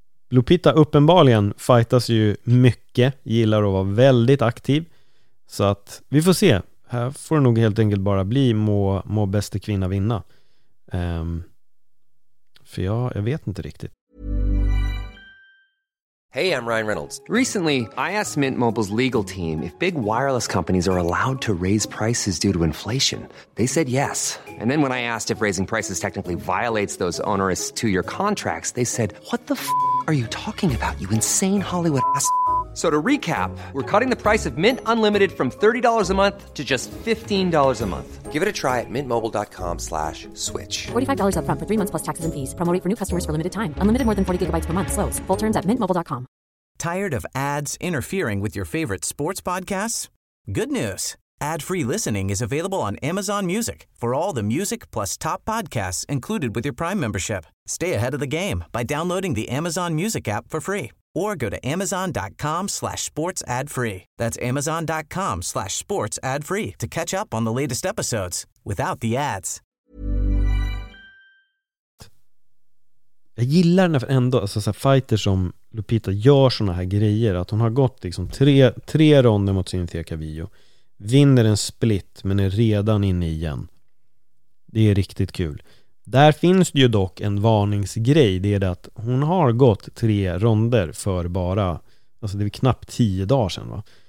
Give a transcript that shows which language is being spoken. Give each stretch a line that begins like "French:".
Swedish: Lupita uppenbarligen fightas ju mycket. Gillar att vara väldigt aktiv. Så att vi får se. Här får det nog helt enkelt bara bli må bästa kvinna vinna. För jag vet inte riktigt.
English: Hey, I'm Ryan Reynolds. Recently, I asked Mint Mobile's legal team if big wireless companies are allowed to raise prices due to inflation. They said yes. And then when I asked if raising prices technically violates those onerous 2-year contracts, they said, what the f*** are you talking about, you insane Hollywood ass f***? So to recap, we're cutting the price of Mint Unlimited from $30 a month to just $15 a month. Give it a try at mintmobile.com/switch. $45 up front for 3 months plus taxes and fees. Promo rate for new customers for limited time. Unlimited more than 40 gigabytes per month. Slows full terms at mintmobile.com. Tired of ads interfering with your favorite sports podcasts? Good news. Ad-free listening is available on Amazon Music for all the music plus top podcasts included with your Prime membership. Stay ahead of the game by downloading the Amazon Music app for free. Or go to amazon.com/sportsadfree. That's amazon.com/sportsadfree to catch up on the latest episodes without the ads.
Swedish: Jag gillar ändå alltså så här fighter som Lupita gör såna här grejer, att hon har gått liksom tre ronder mot Cynthia Cavillo, vinner en split men är redan inne igen. Det är riktigt kul. Där finns det ju dock en varningsgrej. Det är det att hon har gått 3 ronder för bara, alltså det är knappt 10 dagar sedan, va?